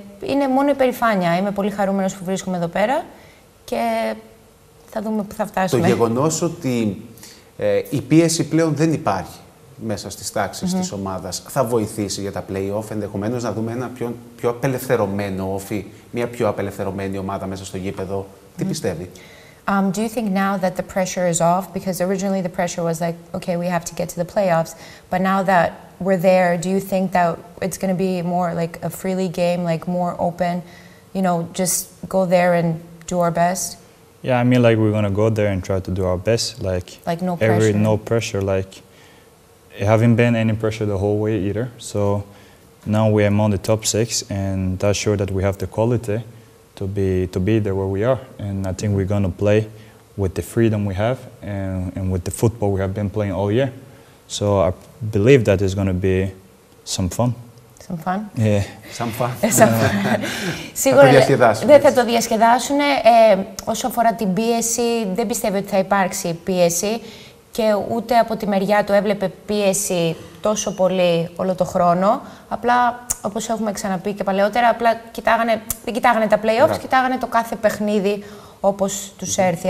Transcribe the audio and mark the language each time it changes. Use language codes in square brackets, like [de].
[el] Είναι μόνο υπερηφάνεια. Είμαι πολύ χαρούμενος που βρίσκομαι εδώ πέρα και θα δούμε πού θα φτάσουμε. Το γεγονός ότι η πίεση πλέον δεν υπάρχει μέσα στις τάξεις της ομάδας θα βοηθήσει για τα play-off, ενδεχομένως να δούμε ένα πιο απελευθερωμένο όφι, μια πιο απελευθερωμένη ομάδα μέσα στο γήπεδο. Τι πιστεύει? [en] Do you think now that the pressure is off? Because originally the pressure was like, okay, we have to get to the playoffs. But now that we're there, do you think that it's going to be more like a freely game, like more open, you know, just go there and do our best? Yeah, I mean, like, we're going to go there and try to do our best. Like, no pressure. No pressure. Like, it haven't been any pressure the whole way either. So now we're among the top six, and that's sure that we have the quality to be there where we are. And I think we're going to play with the freedom we have and with the football we have been playing all year. So I believe that is going to be some fun. Some fun? Yeah. Some fun. [el] Σίγουρα δεν θα το διασκεδάσουν. Όσο αφορά την πίεση, δεν πιστεύω ότι θα υπάρξει πίεση. Και ούτε από τη μεριά του έβλεπε πίεση τόσο πολύ όλο το χρόνο. Απλά, όπως έχουμε ξαναπεί και παλαιότερα, απλά δεν κοιτάγανε τα play-offs, κοιτάγανε το κάθε παιχνίδι όπως τους έρθει.